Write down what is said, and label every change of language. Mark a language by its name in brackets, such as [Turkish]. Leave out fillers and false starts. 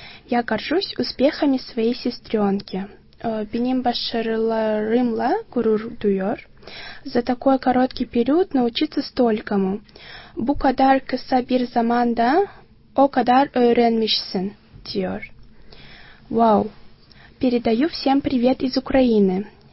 [Russian] Я горжусь успехами своей сестренки. [Turkish] Benim başarılarımla gurur duyuyor. [Russian] За такой короткий период научиться столькому. [Turkish] Bu kadar kısa bir zamanda o kadar öğrenmişsin diyor. Wow. [Russian] Передаю всем привет из Украины.